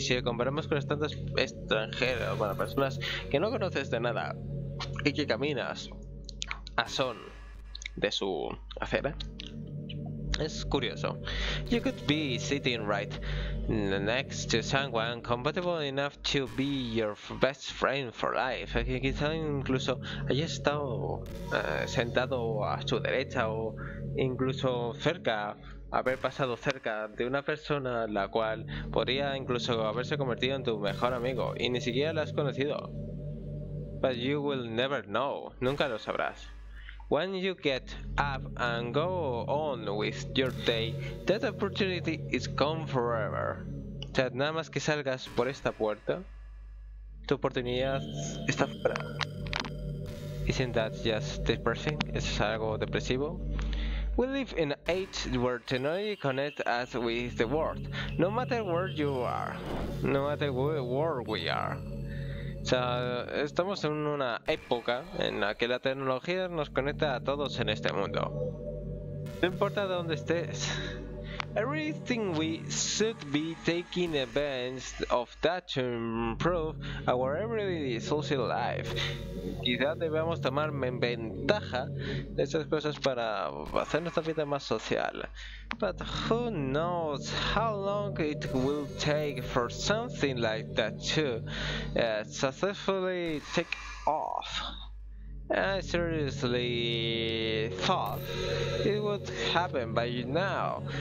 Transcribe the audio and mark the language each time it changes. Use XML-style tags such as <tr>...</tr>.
<es>Si lo comparamos con los tantos extranjeros, bueno, personas que no conoces de nada y que caminas a son de su acera, Es curioso.</es> <en>You could be sitting right next to someone compatible enough to be your best friend for life.</en> <es>Quizá incluso haya estado sentado a su derecha o incluso cerca, haber pasado cerca de una persona la cual podría incluso haberse convertido en tu mejor amigo y ni siquiera la has conocido.</es> <en>But you will never know.</en> <es>Nunca lo sabrás.</es> <en>When you get up and go on with your day, that opportunity is gone forever.</en> <es>O sea, nada más que salgas por esta puerta, tu oportunidad está fuera.</es> <en>Isn't that just depressing?</en> <es>¿Eso es algo depresivo?</es> <en>We live in an age where technology connects us with the world, no matter where you are, no matter where we are.</en> <es>O sea, estamos en una época en la que la tecnología nos conecta a todos en este mundo. No importa dónde estés.</es> <en>Everything we should be taking advantage of that to improve our everyday social life.</en> <es>Quizá debamos tomar ventaja de esas cosas para hacer nuestra vida más social.</es> <en>But who knows how long it will take for something like that to successfully take off. I seriously thought it would happen by now.</en>